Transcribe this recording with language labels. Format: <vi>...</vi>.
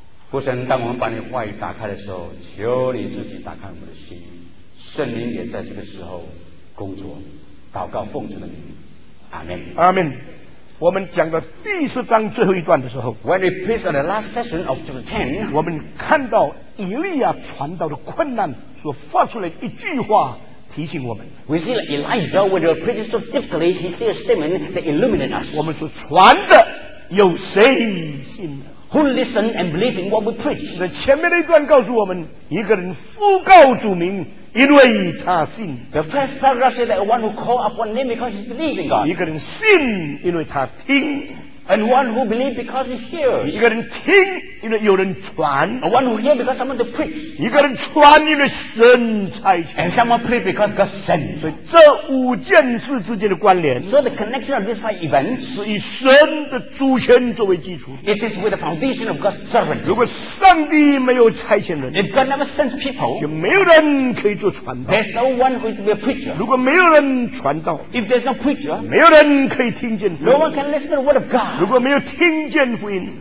<zh>父神，当我们把你话语打开的时候，求你自己打开我们的心，圣灵也在这个时候工作。祷告奉主的名，阿门。阿门。我们讲到第十章最后一段的时候</zh> <en>，When we preach on the last session of chapter ten，</en> <zh>我们看到以利亚传道的困难所发出来的一句话。提醒我们</zh> <en>，We see that Elijah, when he preached so difficultly, he said a statement that illuminated us.</en> <zh>我们所传的有谁信呢</zh> <en>？Who listen and believe in what we preach？</en> <zh>那前面那一段告诉我们，一个人呼告主名，因为他信。</zh> <en>The first paragraph says that one who call upon name because he believes in God.</en> <zh>一个人信，因为他听。</zh> <en>And one who believes because he hears.</en> <zh>一个人听，因为有人传。</zh> <en>And one who hears because someone to preach.</en> <zh>一个人传，因为神差遣。</zh> <en>And someone preach because God sent.</en> <zh>所以这五件事之间的关联。</zh> <en>So the connection of these five events.</en> <zh>是以神的主权作为基础。</zh> <en>It is with the foundation of God's servant.</en> <zh>如果上帝没有差遣人。</zh> <en>If God never sends people.</en> <zh>就没有人可以做传道。</zh> <en>There's no one who is to be a preacher.</en> <zh>如果没有人传道。</zh> <en>If there's no preacher.</en> <zh>没有人可以听见。</zh> <en>No one can listen to the word of God.</en> <zh>如果没有听见福音</zh>